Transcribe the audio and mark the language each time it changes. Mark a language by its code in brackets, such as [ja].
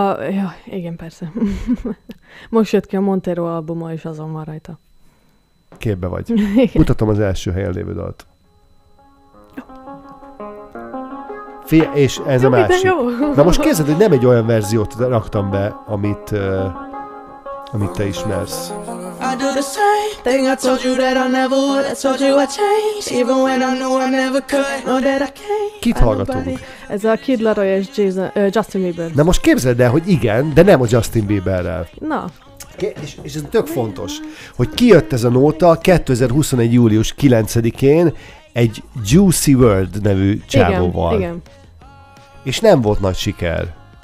[hu] Ja, igen, persze. Most jött ki a Montero albuma, és azon van rajta. Képbe vagy. Mutatom az első helyen lévő dalt. És ez jó, a másik. Jó. Na most képzeld, hogy nem egy olyan verziót raktam be, amit te ismersz. [en] I do the same thing, I told you that I never would, I told you I changed, even when I knew I never could, know that I can't. [hu] Kit hallgatunk? Ez a Kid Laroi és Justin Bieber. Na most képzeld el, hogy igen, de nem a Justin Bieberrel. Na. És ez tök fontos, hogy kijött ez a nóta 2021. július 9-én egy Juicy WRLD nevű csávóval. Igen, igen. És nem volt nagy siker.